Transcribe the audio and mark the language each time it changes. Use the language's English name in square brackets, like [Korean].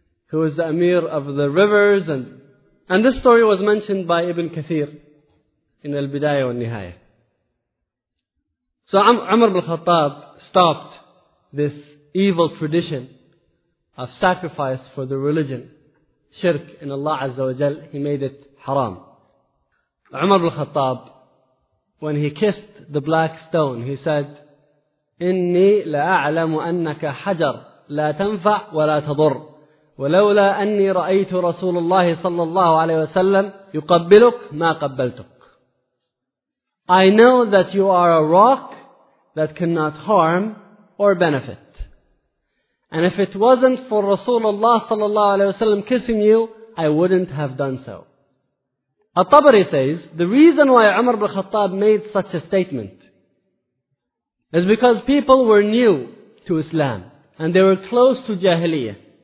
[English] He was the Amir of the rivers. And this story was mentioned by Ibn Kathir in al-bidaya wa al-nihaya. So Umar ibn al-Khattab stopped this evil tradition of sacrifice for the religion. Shirk in Allah Azza wa Jal, he made it haram. Umar ibn al-Khattab, when he kissed the black stone, he said, [Arabic] إِنِّي لَأَعْلَمُ أَنَّكَ حَجَرْ لَا تَنْفَعْ وَلَا تَضُرْ وَلَوْلَا أَنِّي رَأَيْتُ رَسُولُ اللَّهِ صَلَّى اللَّهُ عَلَيْهِ وَسَلَّمْ يُقَبِّلُكْ مَا قَبَّلْتُكْ. [English] I know that you are a rock that cannot harm or benefit. And if it wasn't for Rasulullah sallallahu alayhi wasallam kissing you, I wouldn't have done so. At-Tabari says, the reason why Umar ibn Khattab made such a statement is because people were new to Islam and they were close to Jahiliyyah.